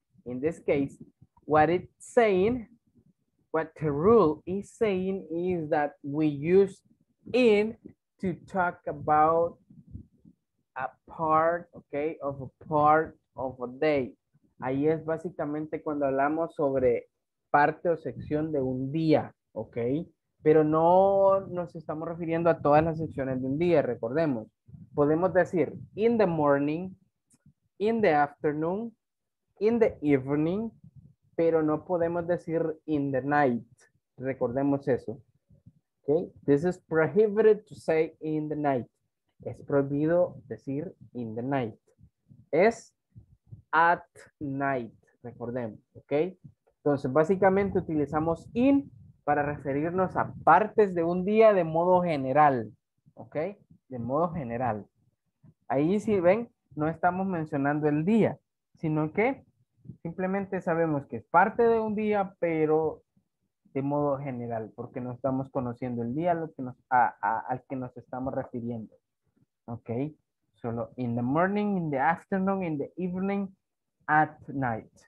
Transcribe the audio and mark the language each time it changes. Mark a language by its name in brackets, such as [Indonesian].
[English] In this case, what it's saying, what the rule is saying is that we use in to talk about a part, okay, of a part of a day. [Spanish] Ahí es básicamente cuando hablamos sobre parte o sección de un día, okay? Pero no nos estamos refiriendo a todas las secciones de un día, recordemos. Podemos decir [English] in the morning, in the afternoon, in the evening, [Spanish] pero no podemos decir [English] in the night. [Spanish] Recordemos eso. Okay? [English] This is prohibited to say in the night. [Spanish] Es prohibido decir [English] in the night. [Spanish] Es [English] at night. [Spanish] Recordemos. Okay? Entonces, básicamente utilizamos in para referirnos a partes de un día de modo general. Okay? De modo general. Ahí, si ven, no estamos mencionando el día, sino que simplemente sabemos que es parte de un día, pero de modo general, porque no estamos conociendo el día al que nos estamos refiriendo. [English] Ok, solo in the morning, in the afternoon, in the evening, at night.